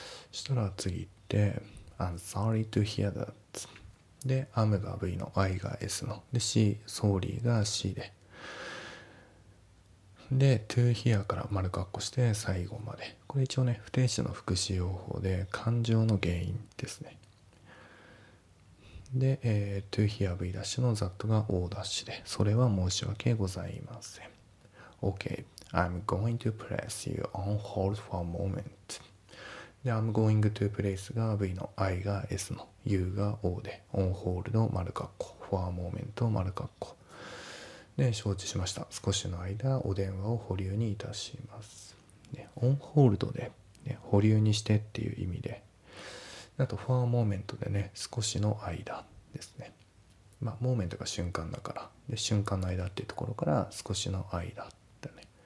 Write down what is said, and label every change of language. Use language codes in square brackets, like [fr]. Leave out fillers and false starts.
[ja] そしたら次行って [en] I'm sorry to hear that [ja] で am が V の I が S ので C sorry が C でで to hear から丸括弧して最後までこれ一応ね不定詞の副詞用法で感情の原因ですね。で、to hear V' の that が O' で、それは申し訳ございません。 [en] OK, I'm going to place you on hold for a moment. [ja] で、 [en] I'm going to place [ja] が V の I が S の U が O で、on hold 丸括弧、 [en] for a moment [ja] 丸括弧。で、承知しました。少しの間、お電話を保留にいたします。で、on hold で、ね、保留にしてっていう意味で、あとフォアモーメントでね少しの間ですね。まあモーメントが瞬間だからで瞬間の間っていうところから少しの間だね。